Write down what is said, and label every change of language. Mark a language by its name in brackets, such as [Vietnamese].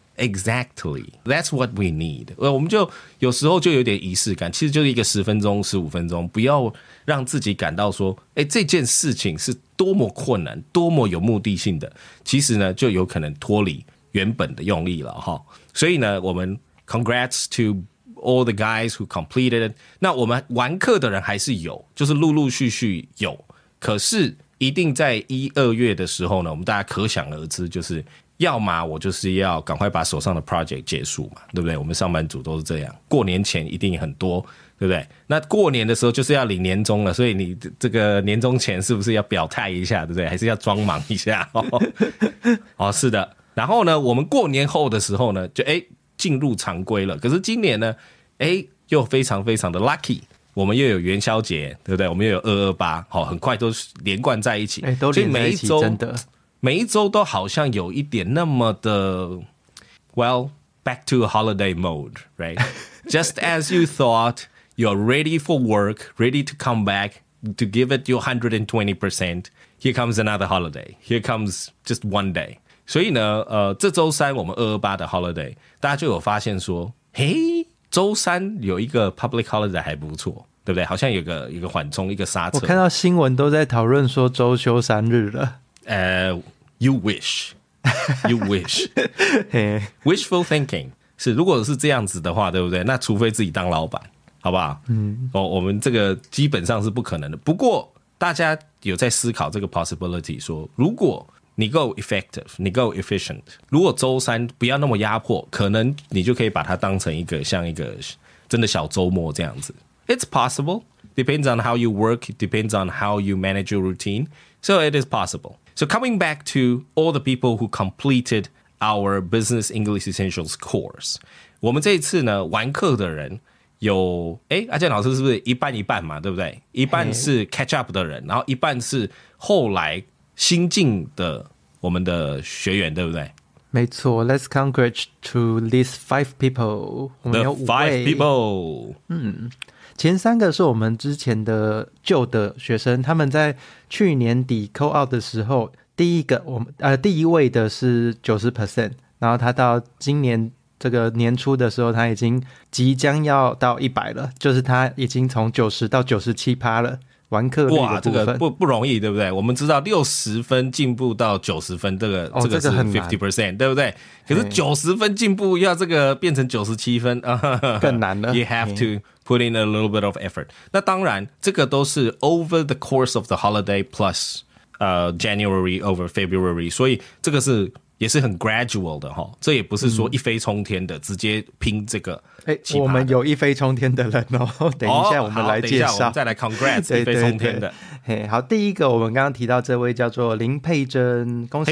[English] Exactly. That's what we need. [Chinese] 我们就有时候就有点仪式感，其实就是一个十分钟、十五分钟，不要让自己感到说，哎，这件事情是多么困难、多么有目的性的，其实呢，就有可能脱离原本的用意了哈。所以呢，我们 [English] congrats to all the guys who completed it. [Chinese] 那我们完课的人还是有，就是陆陆续续有，可是一定在一二月的时候呢，我们大家可想而知，就是。要嘛我就是要赶快把手上的 project 结束嘛，对不对？我们上班族都是这样，过年前一定很多，对不对？那过年的时候就是要领年终了，所以你这个年终前是不是要表态一下，对不对？还是要装忙一下？哦，是的。然后呢，我们过年后的时候呢，就哎进入常规了。可是今年呢，哎又非常非常的 lucky。我们又有元宵节，对不对？我们又有228，好，很快都连贯在一起，哎，都连在一起，真的。每一周都好像有一点那么的 ， [English] well back to holiday mode, right? Just as you thought, you're ready for work, ready to come back to give it your 120%. Here comes another holiday. Here comes just one day. [Chinese] 所以呢，这周三我们228的 holiday， 大家就有发现说，嘿，周三有一个 public holiday 还不错，对不对？好像有一个缓冲，一个刹车。我看到新闻都在讨论说周休三日了。 [English] You wish, you wish. Wishful thinking [Chinese] 是，如果是这样子的话，对不对？那除非自己当老板，好不好？嗯，我们这个基本上是不可能的。不过大家有在思考这个 possibility， 说如果你够 effective， 你够 efficient， 如果周三不要那么压迫，可能你就可以把它当成一个像一个真的小周末这样子。 [English] It's possible. Depends on how you work. Depends on how you manage your routine. So it is possible. So coming back to all the people who completed our Business English Essentials course, [Chinese] 我们这一次呢，完课的人有，哎，阿健老师是不是一半一半嘛，对不对？一半是 catch up 的人，然后一半是后来新进的我们的学员，对不对？没错 [English] ，Let's congratulate to these five people. [Chinese] 我们有 [English] five people. [Chinese] 前三个是我们之前的旧的学生，他们在去年底 call out 的时候，第一位的是 90%， 然后他到今年这个年初的时候，他已经即将要到100了，就是他已经从90到97%了，完课率的部分。哇，这个不容易，对不对？我们知道60分进步到90分，这个是 50%， 对不对？可是90分进步要这个变成97分，更难了。 [English] You have to. Put in a little bit of effort. [Chinese] 那当然，这个都是 [English] over the course of the holiday plus January over February. [Chinese] 所以这个是也是很 gradual 的哈，这也不是说一飞冲天的，直接拼这个。哎，我们有一飞冲天的人哦。等一下，我们来介绍，等一下我们再来 congrats 一飞冲天的。嘿，好，第一个我们刚刚提到这位叫做林佩珍，恭喜